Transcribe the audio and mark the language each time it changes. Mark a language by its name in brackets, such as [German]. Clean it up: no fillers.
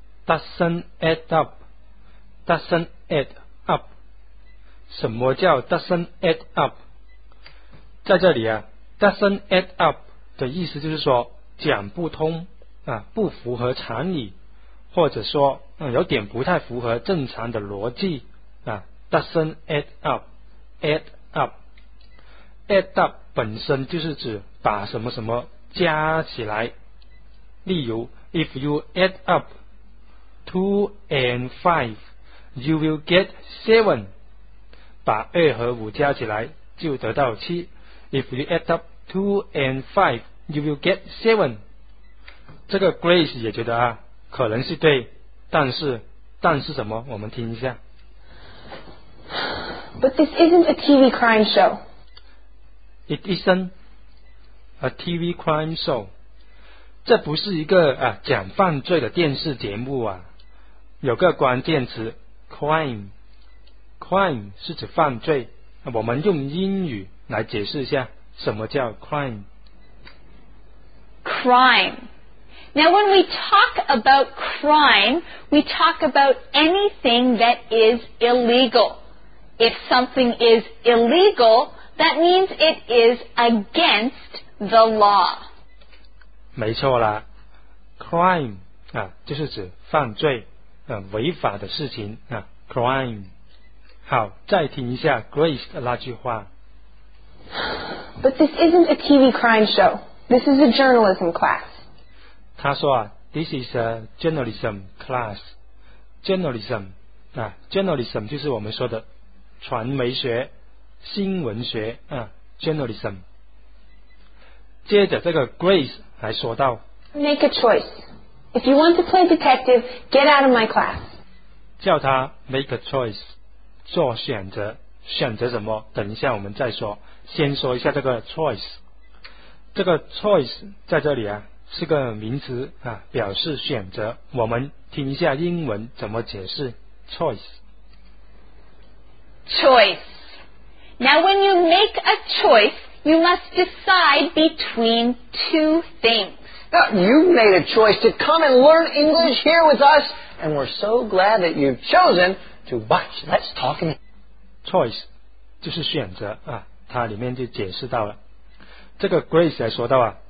[English] Doesn't add up. Doesn't add up. [Chinese] 什么叫 [English] doesn't add up [Chinese] 在这里啊 [English] doesn't add up [Chinese] 的意思就是说讲不通啊，不符合常理，或者说有点不太符合正常的逻辑啊。 [English] Doesn't add up, add up, add up [Chinese] 本身就是指把什么什么加起来。例如 [English] ，If you add up 2 and 5, you will get 7。 [Chinese] 把二和五加起来就得到7。 [English] If you add up 2 and 5, you will get 7。 [Chinese] 这个 Grace 也觉得啊，可能是对，但是什么？我们听一下。 [English] But this isn't a TV crime show. It isn't a TV crime show. [Chinese] 这不是一个啊讲犯罪的电视节目啊。有个关键词 crime， crime 是指犯罪。我们用英语来解释一下什么叫 crime。 [English] Crime. Now, when we talk about crime, we talk about anything that is illegal. If something is illegal, that means it is against the law. [Chinese] 没错啦 crime 啊，就是指犯罪，违法的事情啊 ，crime。好，再听一下 Grace 的那句话。 [English] But this isn't a TV crime show. This is a journalism class. [Chinese] 他说啊 [English] ，This is a journalism class. [Chinese] Journalism 啊 ，journalism 就是我们说的传媒学、新闻学啊 ，journalism。接着这个 Grace 还说到 [English] ，Make a choice. If you want to play detective, get out of my class. [Chinese] 叫他 [English] make a choice， [Chinese] 做选择，选择什么？等一下我们再说，先说一下这个 choice。这个 choice 在这里啊。是个名词啊，表示选择。我们听一下英文怎么解释 choice。 [English] Choice. Now, when you make a choice, you must decide between two things. Now, you've made a choice to come and learn English here with us, and we're so glad that you've chosen to watch Let's Talk in English. [Chinese] Choice 就是选择啊，它里面就解释到了。这个 Grace 还说到啊。